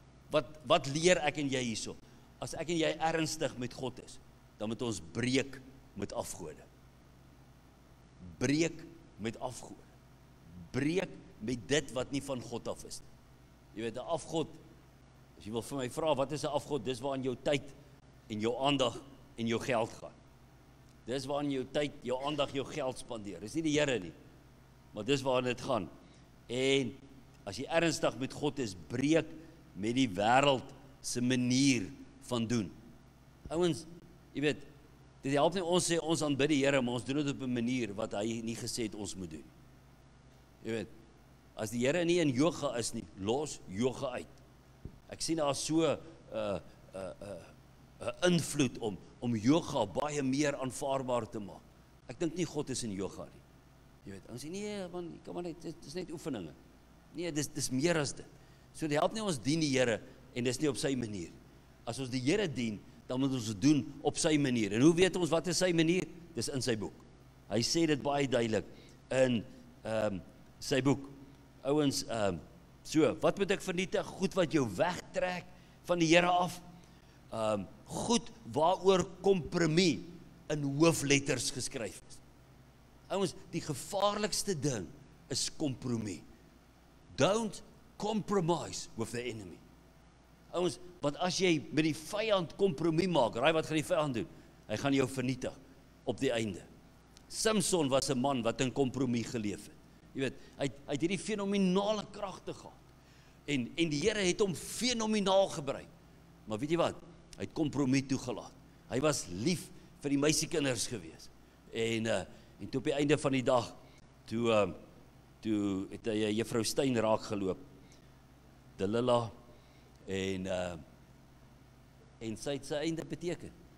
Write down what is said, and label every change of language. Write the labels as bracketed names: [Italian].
[Afrikaans] wat leer ek en jy hierso? As ek en jy ernstig met God is, dan moet ons breek met afgode. Breek met afgode. Breek met dit wat nie van God af is. Jy weet, 'n afgod, as jy wil vir my vraag, wat is 'n afgod? Dis waar aan jou tyd en jou aandag en jou geld gaan. Dis waar aan jou tyd, jou aandag, jou geld spandeer. Dis nie die Here nie, maar dis waar aan dit gaan. En as jy ernstig met God is, breek met die wêreld se manier van doen. Ouens, jy weet, dit help nie ons sê ons aanbid die Here, maar ons doen dit op 'n manier wat hy nie gesê het ons moet doen. Jy weet, as die Here nie in yoga is nie, los yoga uit. Ek sien daar so 'n invloed om yoga baie meer aanvaarbaar te maak. Ek dink nie God is in yoga nie. Jy weet, ons sê nee man, jy kan maar net, dit is net oefeninge. Nee, dis meer as dit. So dit help nie ons dien die Here en dis nie op sy manier. As ons die Here dien, dan moet ons dit doen op sy manier. En hoe weet ons wat is sy manier? Dis in sy boek. Hy sê dit baie duidelik in sy boek. Ouens, so, wat moet ek vernietig? Goed wat jou wegtrek van die Here af. Goed waaroor kompromie in hoofletters geskryf is. Ouens, die gevaarlikste ding is kompromie. [English] Don't compromise with the enemy. [Afrikaans] Ouens, want as jy met die vyand kompromie maak, raai wat gaan die vyand doen? Hy gaan jou vernietig op die einde. Samson was 'n man wat in kompromie geleef het. Jy weet, hy het hierdie fenominale kragte gehad. En die Here het hom fenomenaal gebruik. Maar weet jy wat? Hy het kompromie toegelaat. Hy was lief vir die meisiekinders gewees. En toe op die einde van die dag, toe het hy juffrou Stein raak geloop. Delilah. En sy het sy einde beteken.